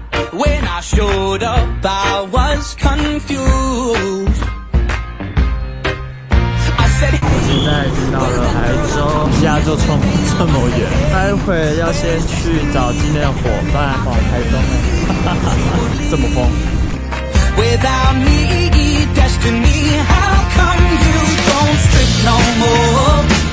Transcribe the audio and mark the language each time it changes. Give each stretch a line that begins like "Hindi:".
English: When I showed up, I was confused. I said, "Hey."
Chinese: 现在已经到了台中，家就从这么远，待会要先去找今天的伙伴往台中了。这么疯。
English: Without me, destiny, how come you don't strip no more?